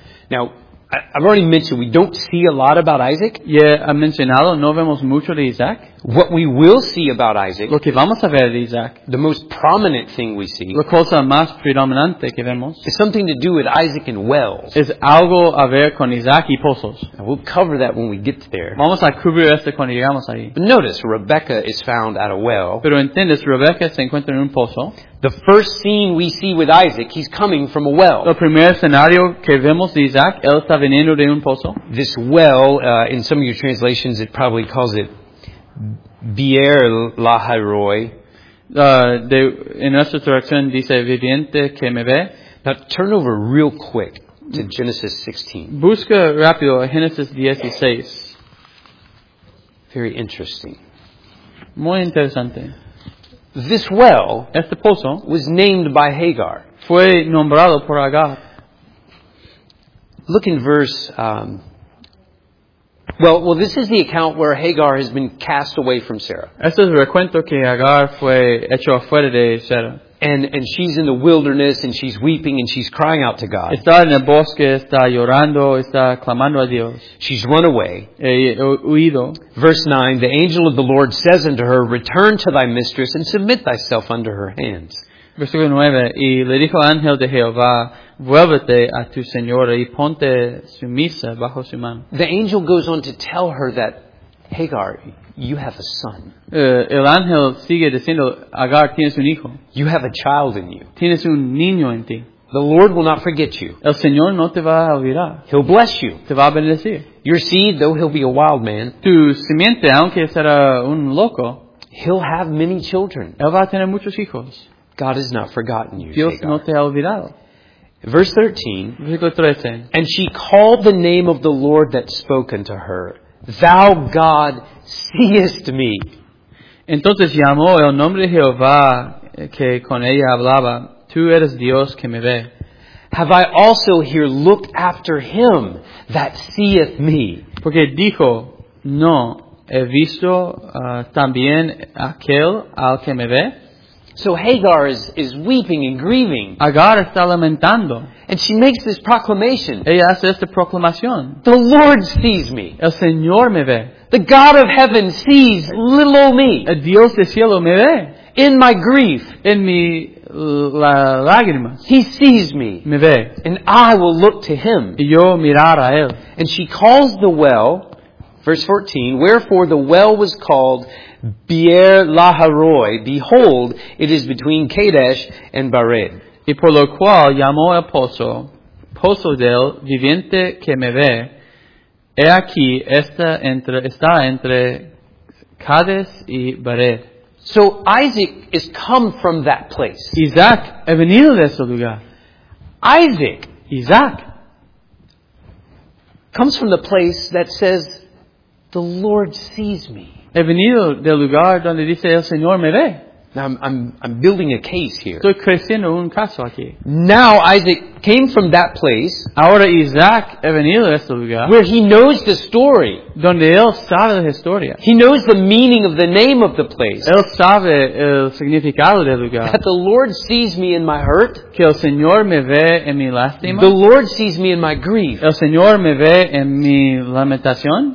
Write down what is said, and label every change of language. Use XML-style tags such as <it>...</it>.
<en>Now, I've already mentioned we don't see a lot about Isaac.</en> <es>Yeah, ha mencionado, no vemos mucho de Isaac.</es> <en>What we will see about Isaac,</en> <es>lo que vamos a ver de Isaac,</es> <en>the most prominent thing we see,</en> <es>la cosa más predominante que vemos,</es> <en>is something to do with Isaac and wells.</en> <es>Es algo a ver con Isaac y pozos.</es> <en>And we'll cover that when we get there.</en> <es>Vamos a cubrir esto cuando llegamos ahí.</es> <en>But notice, Rebecca is found at a well.</en> <es>Pero entiendes, Rebecca se encuentra en un pozo.</es> <en>The first scene we see with Isaac, he's coming from a well.</en> <es>El primer escenario que vemos de Isaac, él está veniendo de un pozo.</es> <en>This well, in some of your translations, it probably calls it Bier Laharoi.</en> <es>En nuestra traducción dice viviente que me ve.</es> <en>Now turn over real quick to Genesis 16.</en> <es>Busca rápido Genesis 16.</es> <en>Very interesting.</en> <es>Muy interesante.</es> <en>This well,</en> <es>este pozo,</es> <en>was named by Hagar.</en> <es>Fue nombrado por Agar.</es> <en>Look in verse. Well, this is the account where Hagar has been cast away from Sarah.</en> <es>Este es el recuento que Agar fue hecho afuera de Sarah.</es> <en>And she's in the wilderness and she's weeping and she's crying out to God.</en> <es>Está en el bosque, está llorando, está clamando a Dios.</es> <en>She's run away.</en> <es>Huido.</es> <en>Verse 9, the angel of the Lord says unto her, return to thy mistress and submit thyself under her hands.</en> <es>Versículo 9, y le dijo el ángel de Jehová, vuélvete a tu señora y ponte sumisa bajo su mano.</es> <en>The angel goes on to tell her that, Hagar, you have a son.</en> <es>El ángel sigue diciendo, Agar, tienes un hijo.</es> <en>You have a child in you.</en> <es>Tienes un niño en ti.</es> <en>The Lord will not forget you.</en> <es>El Señor no te va a olvidar.</es> <en>He'll bless you.</en> <es>Te va a bendecir.</es> <en>Your seed, though he'll be a wild man.</en> <es>Tu simiente, aunque será un loco.</es> <en>He'll have many children.</en> <es>Él va a tener muchos hijos.</es> <en>God has not forgotten you,</en> <es>Dios Hagar. No te ha olvidado.</es> <en>Verse 13.</en> <es>Versículo 13.</es> <en>And she called the name of the Lord that spoke unto her, Thou God seest me.</en> <es>Entonces llamó el nombre de Jehová que con ella hablaba, Tú eres Dios que me ve.</es> <en>Have I also here looked after him that seeth me?</en> <es>Porque dijo, no, he visto también aquel al que me ve.</es> <en>So Hagar is weeping and grieving.</en> <es>Hagar está lamentando.</es> <en>And she makes this proclamation.</en> <es>Ella hace esta proclamación.</es> <en>The Lord sees me.</en> <es>El Señor me ve.</es> <en>The God of heaven sees little old me.</en> <es>El Dios del cielo me ve.</es> <en>In my grief.</en> <es>En mi lágrimas.</es> <en>He sees me.</en> <es>Me ve.</es> <en>And I will look to him.</en> <es>Y yo mirar a él.</es> <en>And she calls the well, verse 14, wherefore the well was called Beer Laharoi, behold, it is between Kadesh and Bared.</en> <es>Y por lo cual llamó el pozo, pozo del viviente que me ve, he aquí está entre Kadesh y Bared.</es> <en>So Isaac is come from that place.</en> <es>Isaac ha venido de ese lugar.</es> <en>Isaac comes from the place that says, the Lord sees me.</en> <es>He venido del lugar donde dice el Señor me ve.</es> <en>Now I'm building a case here.</en> <es>Estoy creciendo un caso aquí.</es> <en>Now Isaac came from that place.</en> <es>Ahora Isaac ha venido de este lugar.</es> <en>Where he knows the story.</en> <es>Donde él sabe la historia.</es> <en>He knows the meaning of the name of the place.</en> <es>Él sabe el significado del lugar.</es> <en>That the Lord sees me in my hurt.</en> <es>Que el Señor me ve en mi lástima.</es> <en>The Lord sees me in my grief.</en> <es>El Señor me ve en mi lamentación.</es>